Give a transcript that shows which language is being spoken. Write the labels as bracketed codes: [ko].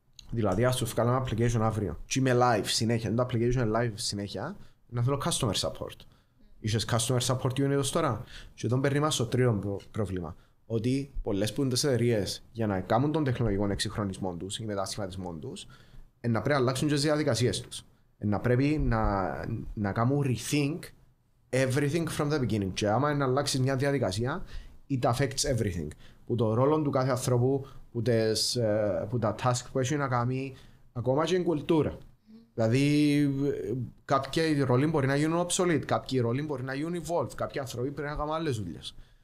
[el] Δηλαδή, ας σου βγάλω ένα application αύριο και είμαι live συνέχεια, το application live συνέχεια, να θέλω customer support. Είσαι customer support unit ως τώρα. Και εδώ περνήμα στο τρίτο πρόβλημα. Ότι πολλές που είναι τις εταιρείες για να κάνουν τον τεχνολογικό εξυγχρονισμό τους ή μετασχηματισμό τους, να πρέπει να αλλάξουν και τις διαδικασίες τους. Να πρέπει να κάνουν [en] rethink everything from the beginning. [el] Και άμα να αλλάξεις μια διαδικασία, [en] it affects everything. [el] Που το ρόλο του κάθε ανθρώπου, που τα task που έχει να κάνει, ακόμα και η κουλτούρα. Δηλαδή, κάποιοι ρόλοι μπορεί να γίνουν obsolete, κάποιοι ρόλοι μπορεί να γίνουν evolved, κάποιοι ανθρώποι πρέπει να κάνουν άλλες δουλειές.